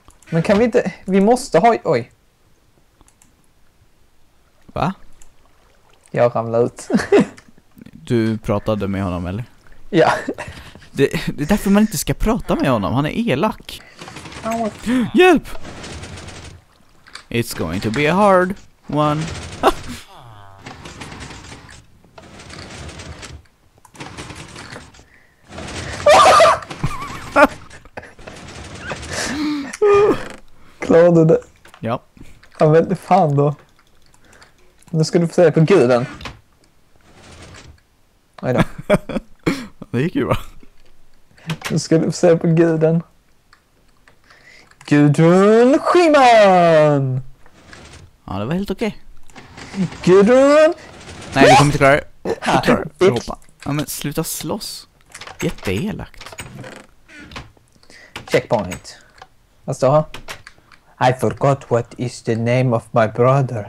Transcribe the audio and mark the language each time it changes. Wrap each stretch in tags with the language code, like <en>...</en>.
<sv>Men kan vi inte... Vi måste ha... Oj. Va? Jag ramlade ut. Du pratade med honom, eller? Ja. Det är därför man inte ska prata med honom. Han är elak. Hjälp!</sv> <en>It's going to be a hard one.</en> <sv>Klarade du det? Ja. Han vände fan då. Nu ska du få se på guden. Ajdå. Det gick ju bra. Nu ska du få se på guden. Gudrun Schyman! Ja, det var helt okej. Gudrun! Nej, du kommer inte klara det. Ja, men sluta slåss. Jätteelakt. Checkpoint. Vad står här?</sv> <en>I forgot what is the name of my brother.</en>